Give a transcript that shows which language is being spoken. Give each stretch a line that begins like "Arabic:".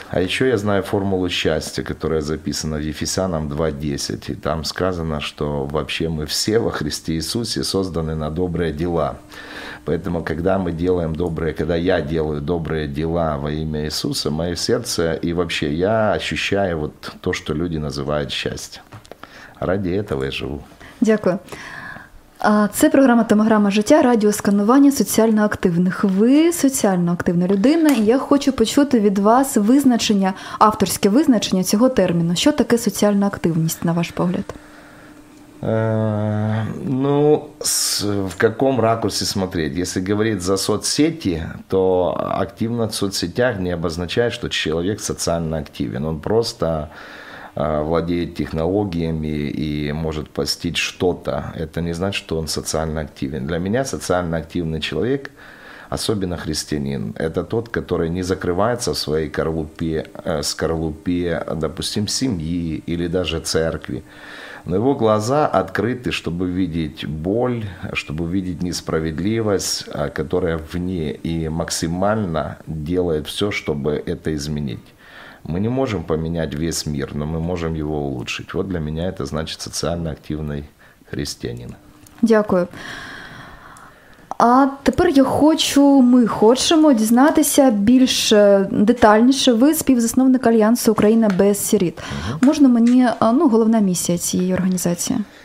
Russian: А еще я знаю формулу счастья, которая записана в Ефесянам 2:10. И там сказано, что вообще мы все во Христе Иисусе созданы на добрые дела. Поэтому, когда я делаю добрые дела во имя Иисуса, мое сердце и вообще я ощущаю вот то, что люди называют счастье. Ради этого я живу.
Ukrainian: Дякую. Це програма «Томограма життя», радіосканування соціально активних. Ви соціально активна людина, і я хочу почути від вас визначення, авторське визначення цього терміну. Що таке соціальна активність, на ваш погляд?
Russian: Ну, в каком ракурсе смотреть? Если говорить за соцсети, то активно в соцсетях не обозначает, что человек социально активен. Он просто владеет технологиями и может постить что-то, это не значит, что он социально активен. Для меня социально активный человек, особенно христианин, это тот, который не закрывается в своей скорлупе, допустим, семьи или даже церкви. Но его глаза открыты, чтобы видеть боль, чтобы видеть несправедливость, которая вне, и максимально делает все, чтобы это изменить. Мы не можем поменять весь мир, но мы можем его улучшить. Вот для меня это значит социально активный христианин.
Ukrainian: Дякую. А тепер ми хочемо дізнатися більш детальніше. Ви співзасновник Альянсу «Україна без сиріт». Угу. Можна мені, головна місія цієї організації?